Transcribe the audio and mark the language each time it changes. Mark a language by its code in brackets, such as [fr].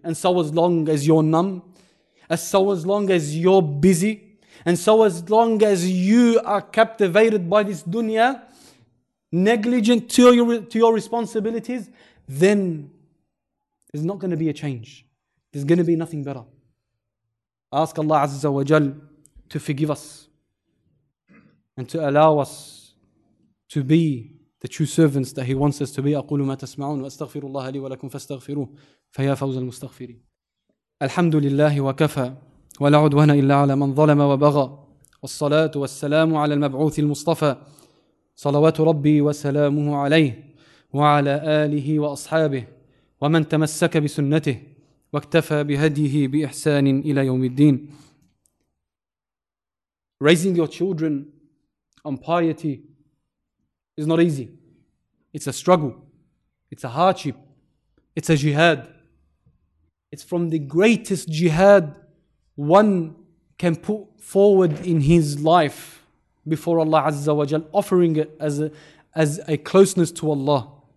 [en] And so as long as you're numb, as so as long as you're busy, and so as long as you are captivated by this dunya, negligent to your responsibilities, then there's not going to be a change. There's going to be nothing better. I ask Allah Azza wa Jal to forgive us and to allow us to be the true servants that He wants us to be. [ar] أقول ما تسمعون وأستغفر الله لي ولكم فاستغفروه فيا فوز المستغفرين. الحمد لله وكفى ولا عدوان إلا على من ظلم وبغى والصلاة والسلام على المبعوث المصطفى صلوات ربي وسلامه عليه وعلى آله وأصحابه ومن تمسك بسنته واكتفى بهديه بإحسان إلى يوم الدين. [en] Raising your children on piety is not easy. It's a struggle. It's a hardship. It's a jihad. It's from the greatest jihad one can put forward in his life before Allah Azza wa Jal, offering it as a closeness to Allah.